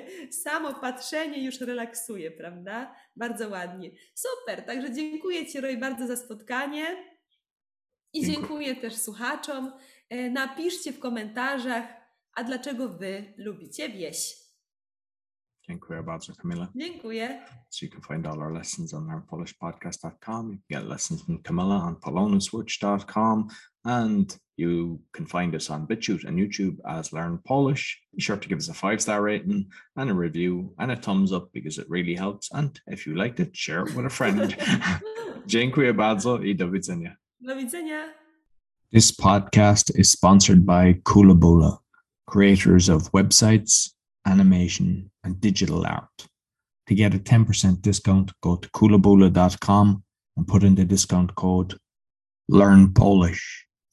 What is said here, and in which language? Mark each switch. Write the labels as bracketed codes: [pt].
[pl] Samo patrzenie już relaksuje, prawda? Bardzo ładnie. Super, także dziękuję Ci, Roy, bardzo za spotkanie. I dziękuję też słuchaczom. Napiszcie w komentarzach, a dlaczego Wy lubicie wieś. Dziękuję bardzo, Kamila. Dziękuję. [en] So you can find all our lessons on our polishpodcast.com. You can get lessons from Kamila on polonuswitch.com. And you can find us on BitChute and YouTube as Learn Polish. Be sure to give us a 5-star rating and a review and a thumbs up because it really helps. And if you liked it, share it with a friend. [pl] Dziękuję bardzo i do widzenia. Do widzenia. [en] This podcast is sponsored by Koolaboola, creators of websites, animation, and digital art. To get a 10% discount, go to koolaboola.com and put in the discount code LearnPolish.